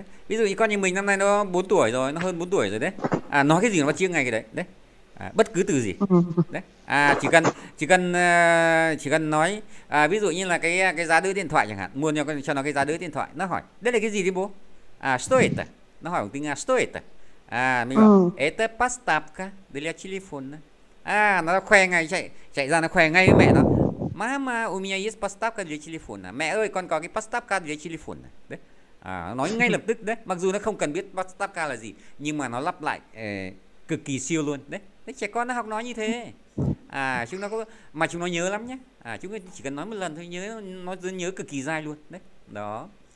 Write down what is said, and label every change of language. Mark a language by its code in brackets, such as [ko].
[vi] Ví dụ như con nhà mình năm nay nó 4 tuổi rồi, nó hơn 4 tuổi rồi đấy. À nói cái gì nó chiêng ngày cái đấy. Đấy. À, bất cứ từ gì. Đấy. À chỉ cần nói à, ví dụ như là cái giá đỡ điện thoại chẳng hạn, mua cho nó cái giá đỡ điện thoại, nó hỏi: "Đây là cái gì đi bố?" À stoet. Nó hỏi bằng tiếng Nga stoet. [ru] À mình bảo: "Это поставка для телефона." [vi] À nó khoe ngay chạy ra nó khoe ngay với mẹ nó. [ru] Mama, у меня есть поставка для телефона. [vi] Mẹ ơi, con có cái [ru] поставка для телефона. [vi] Đấy. À, nói ngay lập tức đấy, mặc dù nó không cần biết поставка là gì, nhưng mà nó lặp lại cực kỳ siêu luôn đấy. Đấy, trẻ con nó học nói như thế. À, chúng nó có mà chúng nó nhớ lắm nhé. À, chúng chỉ cần nói một lần thôi nhớ, nó nhớ cực kỳ dai luôn đấy. Đó.